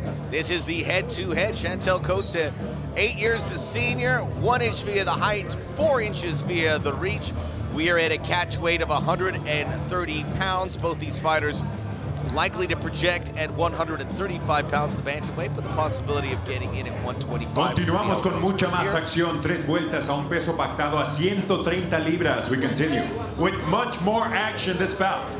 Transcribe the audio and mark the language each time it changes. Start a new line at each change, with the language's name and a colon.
English: This is the head-to-head. Chantal Coates, 8 years the senior, 1 inch via the height, 4 inches via the reach. We are at a catch weight of 130 pounds. Both these fighters likely to project at 135 pounds the bantamweight, but the possibility of getting in at 125.
Spanish: Continuamos con mucha más acción. Tres vueltas a un peso pactado a 130 libras.
English: We continue with much more action this bout.